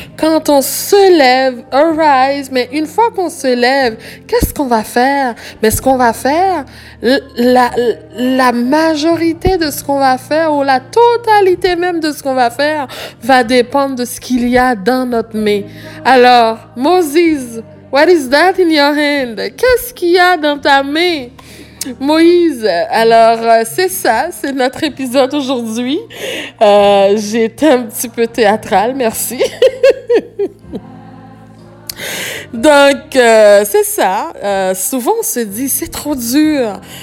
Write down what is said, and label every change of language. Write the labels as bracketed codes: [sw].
[fr] Quand on se lève, [en] arise, [fr] mais une fois qu'on se lève, qu'est-ce qu'on va faire? Mais ce qu'on va faire... La majorité de ce qu'on va faire ou la totalité même de ce qu'on va faire va dépendre de ce qu'il y a dans notre main. Alors, [en] Moses, what is that in your hand? [fr] Qu'est-ce qu'il y a dans ta main? Moïse, alors c'est ça, c'est notre épisode aujourd'hui. J'étais un petit peu théâtrale, merci. Donc, c'est ça. Souvent, on se dit, c'est trop dur.